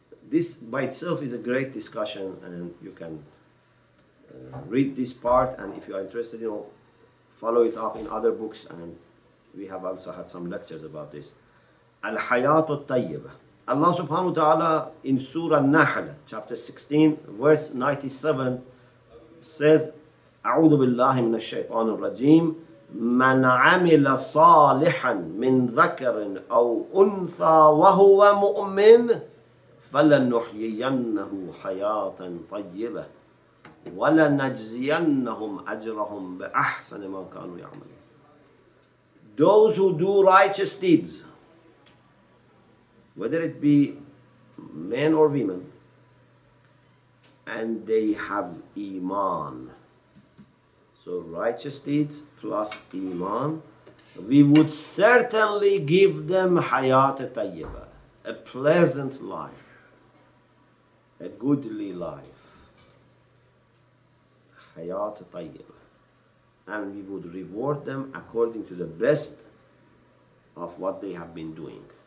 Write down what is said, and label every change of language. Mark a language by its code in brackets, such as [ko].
[en] This by itself is a great discussion, and you can read this part, and if you are interested, you know, follow it up in other books, and we have also had some lectures about this. Al-Hayatu Tayyibah. Allah subhanahu wa ta'ala in Surah Nahl, chapter 16, verse 97, says, [ar] أعوذ بالله من الشيطان الرجيم من عمل صالحا من ذكر أو أنثى وهو مؤمن فلنحيينه حياة طيبة ولنجزينهم أجرهم بأحسن ما كانوا يعملون. [en] Those who do righteous deeds, whether it be men or women, and they have iman. So righteous deeds plus iman, we would certainly give them hayat tayyiba, a pleasant life, a goodly life, hayat tayyiba, and we would reward them according to the best of what they have been doing.